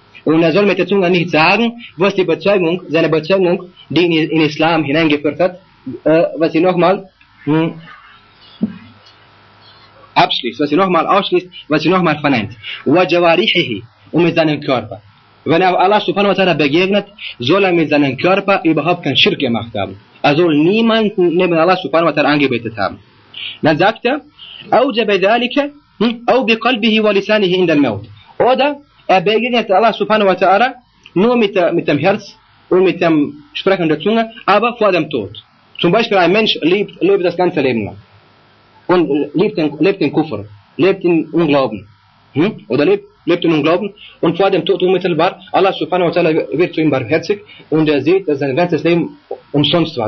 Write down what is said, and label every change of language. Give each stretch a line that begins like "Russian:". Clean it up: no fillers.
German: Und er soll mit der Zunge nicht sagen, was die Bezeugung, seine Bezeugung, die ihn in Islam hineingeführt hat, was sie nochmal abschließt, was sie nochmal ausschließt, was sie nochmal verneint. وَجَوَارِحِهِ und mit seinem Körper. Wenn er Allah subhanahu wa ta'ala begegnet, soll er mit seinem Körper überhaupt keinen Schirk gemacht haben. Er soll niemanden neben Allah subhanahu wa ta'ala angebetet haben. Dann sagt er,
Arabic: أَوْجَبَ ذَلِكَ أَوْ بِقَلْبِهِ وَلِسَانِهِ إِنْدَ الْمَوْتِ.
German: Oder er begegnet Allah subhanahu wa ta'ala nur mit dem Herz und mit dem Sprechen der Zunge, aber vor dem Tod. Zum Beispiel ein Mensch lebt das ganze Leben lang. Und lebt in Kufr, lebt in Unglauben. Oder lebt in Unglauben und vor dem Tod unmittelbar, Allah subhanahu wa ta'ala wird zu ihm barmherzig und er sieht, dass sein ganzes Leben umsonst war.